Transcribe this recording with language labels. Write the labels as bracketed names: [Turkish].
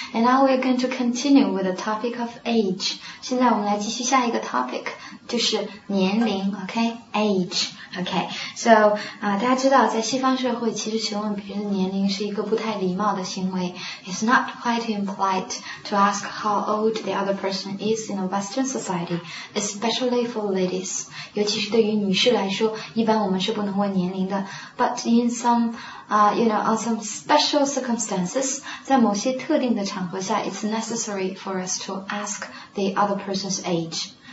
[English] And now we're going to continue with the topic of age. [Chinese] 现在我们来继续下一个 topic, 就是年龄 okay? Age. Okay, so, 大家知道在西方社会其实询问别人的年龄是一个不太礼貌的行为。 [English] It's not quite impolite to ask how old the other person is in a Western society, especially for ladies. [Chinese] 尤其是对于女士来说一般我们是不能问年龄的。 [English] But in some,you know, on some special circumstances, [Chinese] 在某些特定的场合下 [English] it's necessary for us to ask the other person's age.